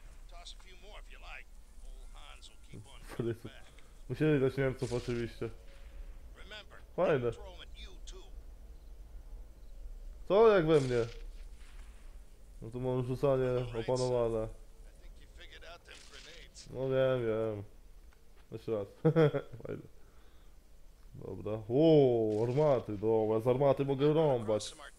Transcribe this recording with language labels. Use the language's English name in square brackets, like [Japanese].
[English] Toss a few more if you like. Old Hans will keep on coming back. [Polish] Musieli dać Niemców oczywiście. [English] Remember, [Polish] Fajne. [English] throw them at you too. [Polish] Co jak we mnie? No tu mam rzucanie opanowane. [English] I think you figured out them grenades. [Polish] No wiem, wiem. Jeszcze raz. Fajne. Dobra. O, armaty, dobra, z armaty mogę rąbać.